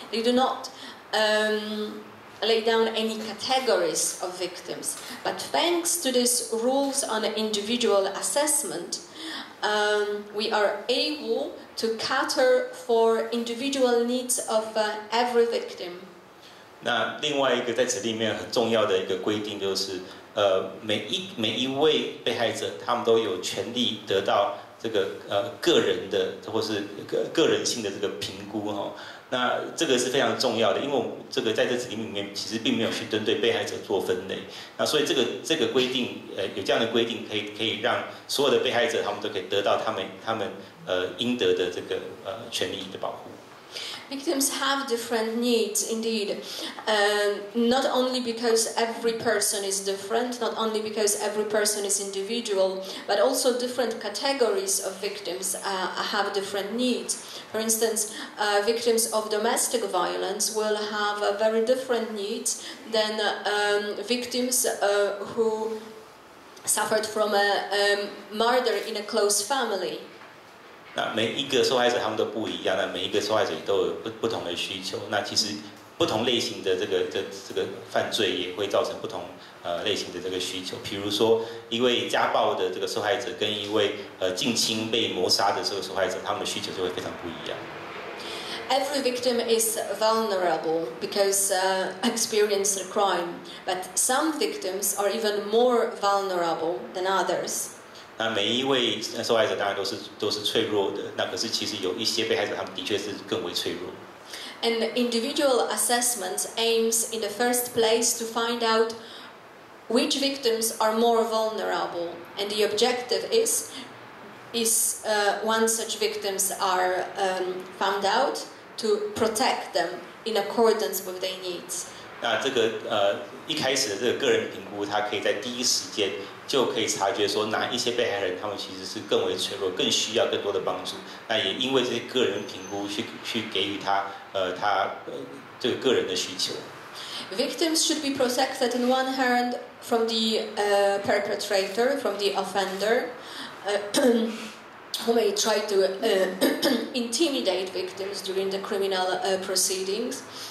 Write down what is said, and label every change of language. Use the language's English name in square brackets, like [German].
[English] They do not lay down any categories of victims. But thanks to these rules on individual assessment,we are able to cater for individual needs of every victim. [Chinese] 那另外一个在此里面很重要的一个规定就是，每一位被害者他们都有权利得到这个个人的或是个人性的这个评估哈。那这个是非常重要的，因为这个在这指令里面其实并没有去针对被害者做分类，那所以这个规定，有这样的规定可以让所有的被害者他们都可以得到他们应得的这个权利的保护。 [English] Victims have different needs, indeed. Not only because every person is different, not only because every person is individual, but also different categories of victims have different needs. For instance, victims of domestic violence will have a very different needs than victims who suffered from a murder in a close family. [Chinese] 那每一个受害者他们都不一样，那每一个受害者都有 不同的需求，那其实不同类型的这个犯罪也会造成不同类型的这个需求，比如说一位家暴的这个受害者跟一位近亲被谋杀的这个受害者，他们的需求就会非常不一样。 [English] Every victim is vulnerable because experienced a crime, but some victims are even more vulnerable than others. [Chinese] 那每一位受害者当然都是脆弱的，那可是其实有一些被害者他们的确是更为脆弱。 [English] And individual assessment aims in the first place to find out which victims are more vulnerable, and the objective is once such victims are found out to protect them in accordance with their needs. [Chinese] 那这个一开始的这个个人评估，它可以在第一时间。就可以察觉说哪一些被害人他们其实是更为脆弱，更需要更多的帮助。那也因为这些个人评估去给予他这个个人的需求。 [English] Victims should be protected in one hand from the perpetrator, from the offender, who may try to intimidate victims during the criminal proceedings.